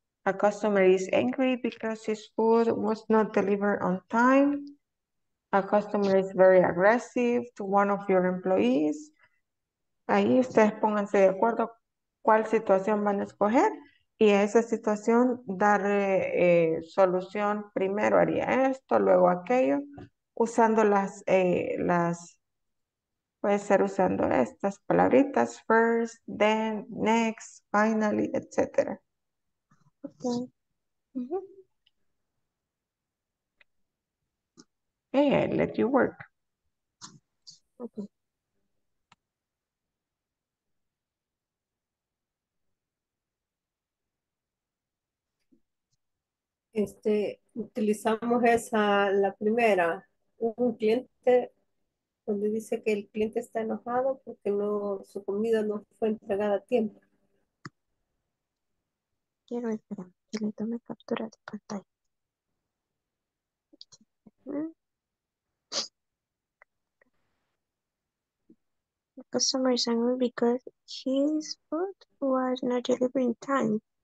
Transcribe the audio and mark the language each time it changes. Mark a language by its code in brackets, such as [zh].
[en] A customer is angry because his food was not delivered on time. A customer is very aggressive to one of your employees. [es] Ahí ustedes pónganse de acuerdo cuál situación van a escoger. Y a esa situación darle solución. Primero haría esto, luego aquello. Usando las puede ser usando estas palabritas, [en] first, then, next, finally, [es] etc. [en] Okay. Mm-hmm. And let you work. Okay. [es] Utilizamos esa, la primera, un cliente donde dice que el cliente está enojado porque no, su comida no fue entregada a tiempo. Quiero esperar que le tome captura de pantalla. [en] The customer is angry because his food was not delivered in time.